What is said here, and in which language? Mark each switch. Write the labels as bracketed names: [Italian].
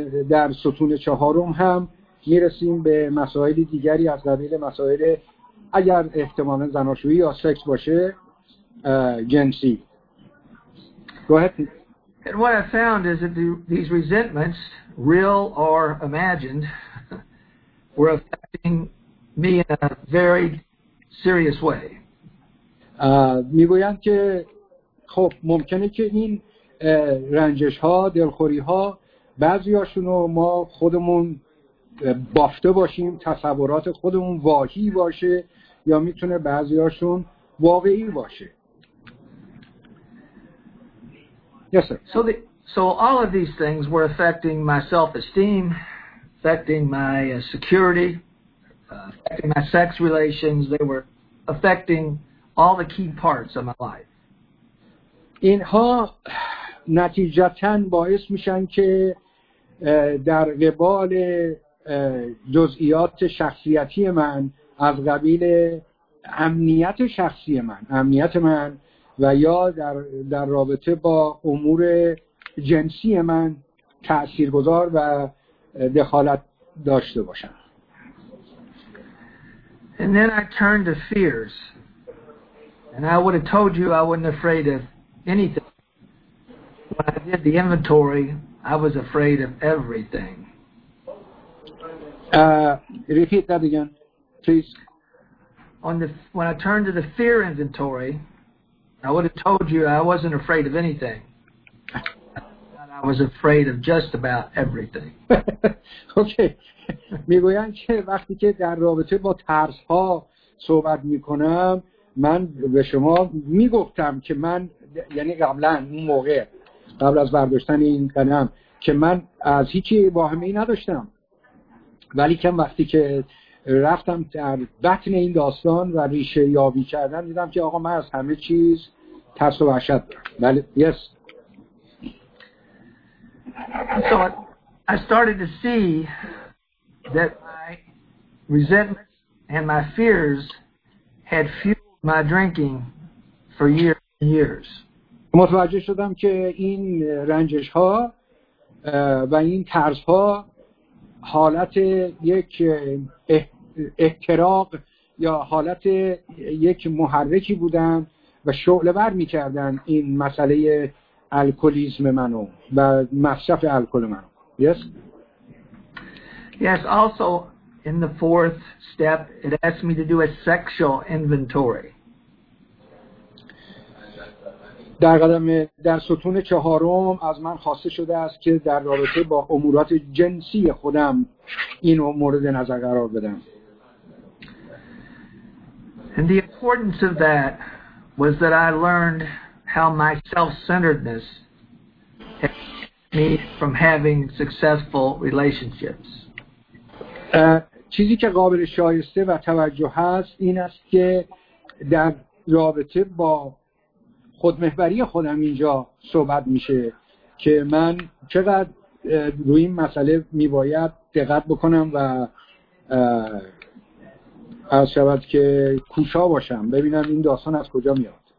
[Persian] در ستون چهارم هم میرسیم به مسائل دیگری از قبیل مسائل اگر احتمالا زناشویی یا سکس باشه جنسی. [English] Go ahead. And what I found is that these resentments, real or imagined, were affecting me in a very serious way. [Persian] میگویند که خب ممکنه که این رنجش ها، دلخوری ها، بعضی هاشون رو ما خودمون بافته باشیم، تصورات خودمون واهی باشه، یا میتونه بعضی هاشون واقعی باشه. [English] Yes, sir. So all of these things were affecting my self-esteem, affecting my security, affecting my sex relations. They were affecting all the key parts of my life. [Persian] اینها نتیجتاً باعث میشن که در قبال جزئیات شخصیتی من از قبیل امنیت شخصی من، امنیت من و یا در رابطه با امور جنسی من تأثیرگذار و دخالت داشته باشم. [English] And then I turned to fears. And I would have told you I wasn't afraid of anything. When I did the inventory, I was afraid of everything. Repeat that again, please. When I turned to the fear inventory, I would have told you I wasn't afraid of anything. I was afraid of just about everything. Okay. [Persian] میگویم که وقتی که در رابطه با ترس ها صحبت میکنم، من به شما میگفتم که من، یعنی قبلا اون موقع قبل از برداشتن این قلم، که من از هیچی واهمه‌ای نداشتم، ولی که وقتی که رفتم در بطن این داستان و ریشه یابی کردم، دیدم که آقا من از همه چیز ترس و وحشت دارم. بله. [English] Yes. So I started to see that my resentment and my fears had fueled my drinking for years and years. [Persian] متوجه شدم که این رنجش ها و این ترس ها حالت یک احتراق یا حالت یک محرکی بودن و شعله بر می کردن این مسئله الکولیسم منو و مصرف الکل منو. [English] Yes. Yes. Also, in the fourth step, it asked me to do a sexual inventory. [Persian] در ستون چهارم از من خواسته شده است که در رابطه با امورات جنسی خودم این مورد نظر قرار بدم. [English] And the importance of that was that I learned how my self-centeredness kept me from having successful relationships. [Persian] چیزی که قابل شایسته و توجه هست این است که در رابطه با خودمحوری خودم اینجا صحبت میشه که من چقدر روی این مسئله میباید دقت بکنم و از شبت که کوشا باشم ببینم این داستان از کجا میاد.